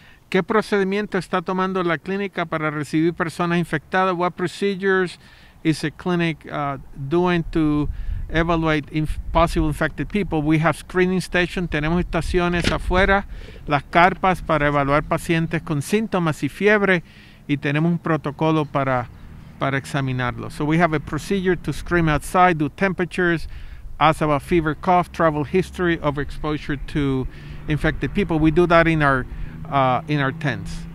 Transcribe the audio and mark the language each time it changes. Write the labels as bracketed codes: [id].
[es] ¿Qué procedimiento está tomando la clínica para recibir personas infectadas? [en] What procedures is a clinic doing to evaluate possible infected people? We have screening stations. [es] Tenemos estaciones afuera, las carpas para evaluar pacientes con síntomas y fiebre, y tenemos un protocolo para examinarlo. [en] So we have a procedure to screen outside, do temperatures, ask about fever, cough, travel history of exposure to infected people. We do that in our tents.